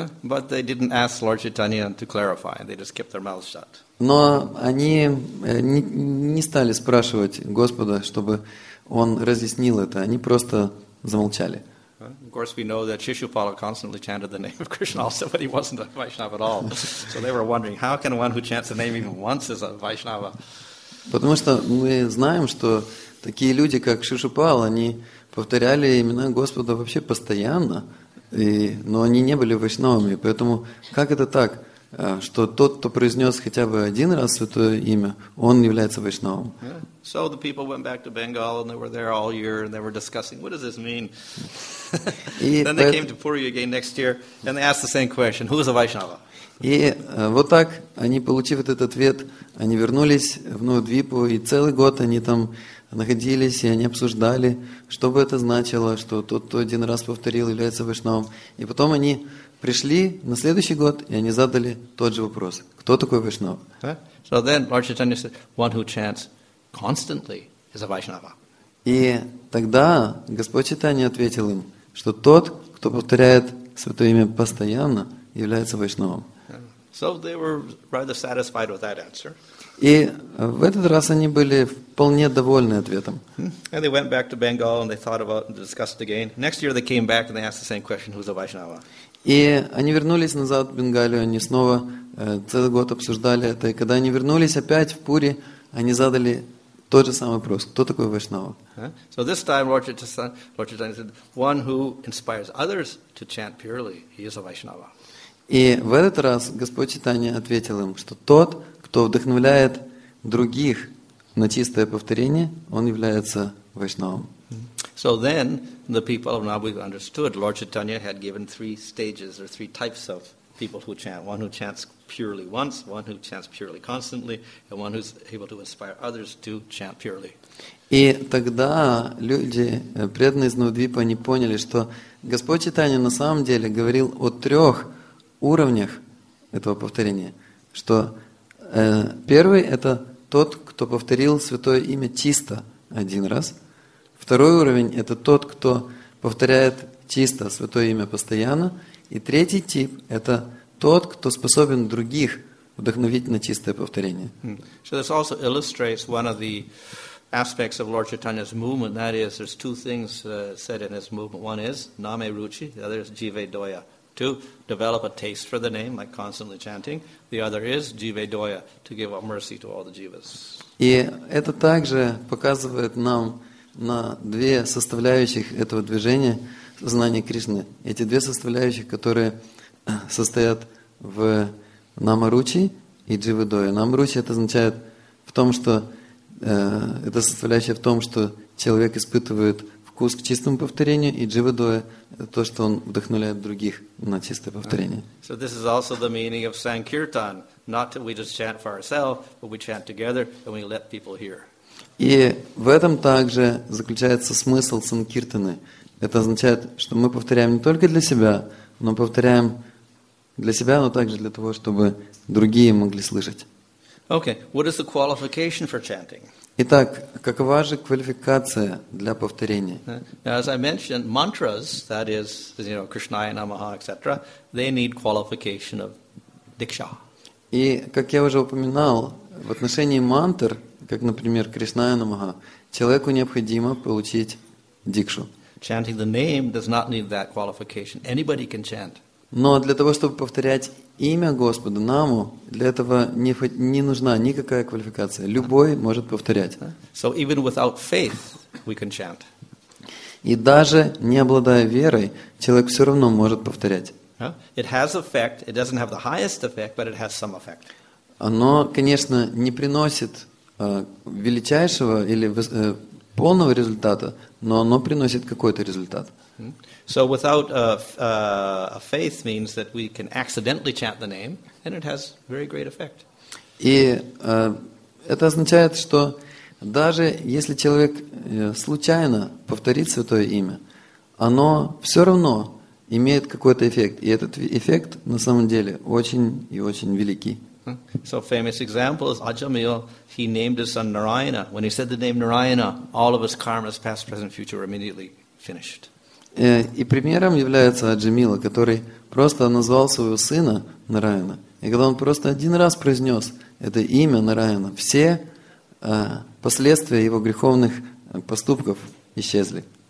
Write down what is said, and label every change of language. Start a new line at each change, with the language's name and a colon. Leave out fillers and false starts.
English: But they didn't ask Lord Chaitanya to clarify. They just kept their mouths shut.
Russian: Но они не стали спрашивать Господа, чтобы он разъяснил это. Они просто замолчали.
English: Of course, we know that Shishupala constantly chanted the name of Krishna also, but he wasn't a Vaishnava at all. So they were wondering, how can one who chants the name even once is a Vaishnava?
Russian: Потому что мы знаем, что такие люди, как Шишупал, они повторяли имена Господа вообще постоянно, но они не были вайшнавами. Поэтому как это так, что тот, кто произнес хотя бы один раз святое имя, он является вайшнавом?
English: So the people went back to Bengal and they were there all year and they were discussing, what does this mean? Then they came to Puri again next year and they asked the same question, who is a Vaishnava?
Russian: И вот так, они, получив этот ответ, они вернулись в Новодвипу, и целый год они там находились, и они обсуждали, что бы это значило, что тот, кто один раз повторил, является Вайшнавом. И потом они пришли на следующий год, и они задали тот же вопрос. Кто такой Вайшнав?
English: So then Lord Chaitanya said, one who chants constantly is a Vaishnava.
Russian: И тогда Господь Чайтанья ответил им, что тот, кто повторяет святое имя постоянно, является Вайшнавом.
English: So they were rather satisfied with that answer.
Russian: И в этот раз они были вполне довольны ответом.
English: And they went back to Bengal and they thought about and discussed again. Next year they came back and they asked the same question, who's a Vaishnava?
Russian: И они вернулись назад в Бенгалию, они снова целый год обсуждали это. И когда они вернулись опять в Пури, они задали тот же самый вопрос, кто такой Вайшнава?
English: So this time Lord Chaitanya said, one who inspires others to chant purely, he is a Vaishnava.
Russian: И в этот раз Господь Чайтанья ответил им, что тот, кто вдохновляет других на чистое повторение, он является Вайшнавом.
English: So then the people of Navadvip understood Lord Chaitanya had given three stages or three types of people who chant. One who chants purely once, one who chants purely constantly, and one who's able to inspire others to chant purely.
Russian: И тогда люди, преданные из Навадвипа, они поняли, что Господь Чайтанья на самом деле говорил о трех уровнях этого повторения, что первый – это тот, кто повторил святое имя чисто один раз. Второй уровень – это тот, кто повторяет чисто святое имя постоянно. И третий тип – это тот, кто способен других вдохновить на чистое повторение.
English: So this also illustrates one of the aspects of Lord Chaitanya's movement. That is, there's two things said in his movement. One is Name Ruchi, the other is Jive Doya. Two, develop a taste for the name, like constantly chanting. The other is Jive Doya, to give up mercy to all the jivas.
Russian: И это также показывает нам на две составляющих этого движения сознания Кришны. Эти две составляющих, которые состоят в Намаручи и Дживадоя. Намаручи это означает в том, что это составляющая в том, что человек испытывает вкус к чистому повторению, и Дживадоя это то, что он вдохновляет других на чистое повторение.
English: So this is also the meaning of Sankirtan. Not that we just chant for ourselves, but we chant together and we let people hear.
Russian: И в этом также заключается смысл санкиртаны. Это означает, что мы повторяем не только для себя, но повторяем для себя, но также для того, чтобы другие могли слышать.
English: Okay, what is the qualification for chanting?
Russian: Итак, какова же квалификация для повторения?
English: Now, as I mentioned, mantras, that is, you know, Krishnaya Namaha, etc., they need qualification of diksha.
Russian: И, как я уже упоминал, в отношении мантр, как, например, Кришная Намага, человеку необходимо получить дикшу.
English: Chanting the name does not need that qualification. Anybody can chant.
Russian: Но для того, чтобы повторять имя Господа, Наму, для этого не нужна никакая квалификация. Любой может повторять.
English: So even without faith, we can chant.
Russian: И даже не обладая верой, человек все равно может повторять.
English: It has effect. It doesn't have the highest effect, but it has some effect.
Russian: Оно, конечно, не приносит величайшего или полного результата, но оно приносит какой-то результат.
English: So without a faith means that we can accidentally chant the name, and it has very great effect.
Russian: И это означает, что даже если человек случайно повторит святое имя, оно все равно имеет какой-то эффект. И этот эффект, на самом деле, очень и очень великий.
English: So famous example is Ajamil. He named his son Narayana. When he said the name Narayana, all of his karmas, past, present, future, were immediately finished.
Russian: И примером является Аджамила, который просто назвал своего сына Нараяна. И когда он просто один раз произнес это имя Нараяна, все последствия его греховных поступков исчезли.